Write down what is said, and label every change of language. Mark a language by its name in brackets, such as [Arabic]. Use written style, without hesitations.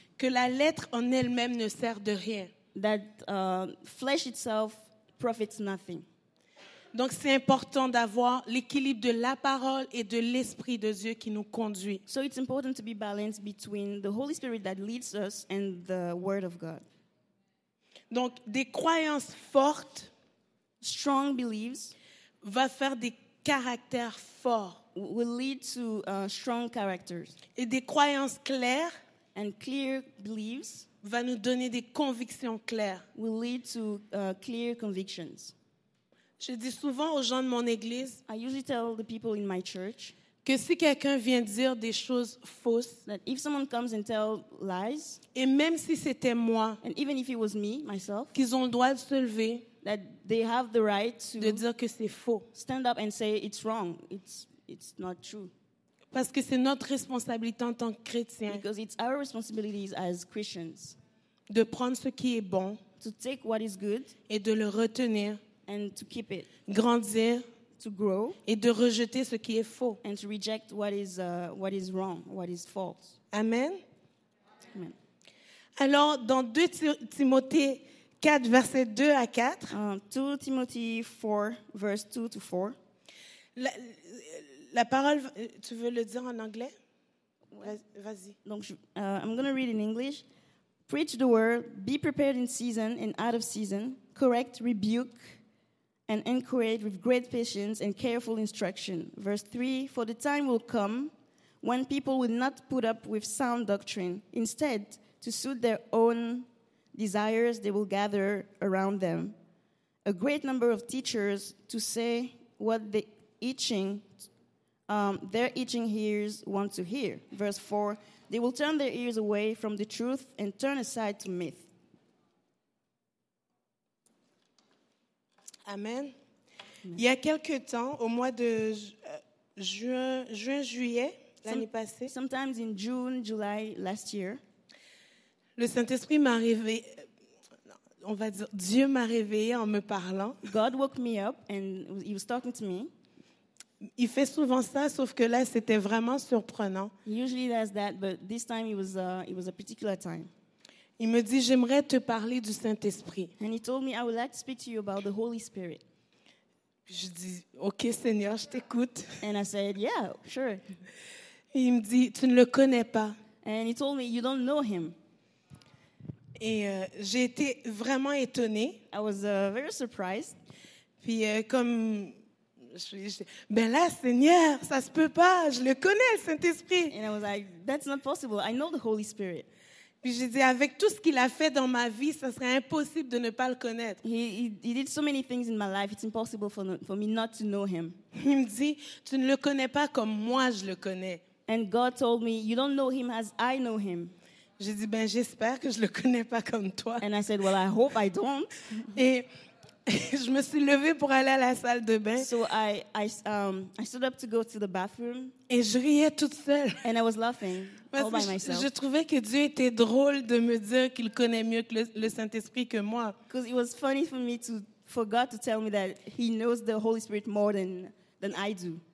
[French] que la lettre en elle-même ne sert de rien, [English] that flesh itself profits nothing. [French] Donc c'est important d'avoir l'équilibre de la parole et de l'esprit de Dieu qui nous conduit. [English] So it's important to be balanced between the Holy Spirit that leads us and the word of God. [French] Donc des croyances fortes, [English] strong beliefs, [French] va faire des caractères forts, [English] will lead to strong characters. [French] Et des croyances claires, [English] and clear beliefs, [French] va nous donner des convictions claires, [English] will lead to clear convictions. [French] Je dis souvent aux gens de mon église, [English] I usually tell the people in my church, [French] que si quelqu'un vient dire des choses fausses, [English] that if someone comes and tell lies, [French] et même si c'était moi, [English] and even if it was me, myself, [French] qu'ils ont le droit de se lever, [English] that they have the right to, [French] de dire que c'est faux, [English] stand up and say it's wrong, it's not true. [French] Parce que c'est notre responsabilité en tant que chrétien, [English] because it's our responsibilities as Christians, [French] de prendre ce qui est bon, [English] to take what is good, [French] et de le retenir, [English] and to keep it, [French] grandir, [English] to grow, [French] et de rejeter ce qui est faux, [English] and to reject what is wrong, what is false. [French] Amen. [English] Amen. [French] Alors, dans 2 Timothée 4, verset 2 à 4, [English] 2 Timothée 4, verse 2 to 4, [French] la parole, tu veux le dire en anglais? Vas-y. [English] Donc, I'm going to read in English. Preach the word, be prepared in season and out of season, correct, rebuke, and encourage with great patience and careful instruction. Verse 3, for the time will come when people will not put up with sound doctrine. Instead, to suit their own desires, they will gather around them a great number of teachers to say what their itching ears want to hear. Verse 4, they will turn their ears away from the truth and turn aside to myth. Amen. [French] Il y a quelques temps, au mois de juin-juillet, l'année passée, [English] sometimes in June, July last year, [French] Le Saint-Esprit m'a réveillé. On va dire, Dieu m'a réveillé en me parlant. [English] God woke me up and he was talking to me. [French] Il fait souvent ça, sauf que là, c'était vraiment surprenant. [English] Usually that's that, but this time it was a particular time. [French] Il me dit, j'aimerais te parler du Saint-Esprit. [English] And he told me, I would like to speak to you about the Holy Spirit. [French] Je dis, OK, Seigneur, je t'écoute. [English] And I said, yeah, sure. [French] Et il me dit, tu ne le connais pas. [English] And he told me, you don't know him. [French] Et j'ai été vraiment étonnée. [English] I was very surprised. [French] Puis comme... ben là, Seigneur, ça se peut pas. Je le connais, le Saint-Esprit. [English] And I was like, that's not possible. I know the Holy Spirit. [French] Puis j'ai dit, avec tout ce qu'il a fait dans ma vie, ça serait impossible de ne pas le connaître. [English] He did so many things in my life. It's impossible for me not to know him. [French] Il me dit, tu ne le connais pas comme moi je le connais. [English] And God told me, you don't know him as I know him. [French] J'ai dit, ben j'espère que je le connais pas comme toi. [English] And I said, well, I hope I don't. [French] Et je me suis levée pour aller à la salle de bain. [English] So I stood up to go to the bathroom. [French] Et je riais toute seule. [English] And I was laughing all by myself. [French] Je trouvais que Dieu était drôle de me dire qu'il connaît mieux que le Saint-Esprit que moi. [English] Because it was funny for me to for God to tell me that He knows the Holy Spirit more than I do.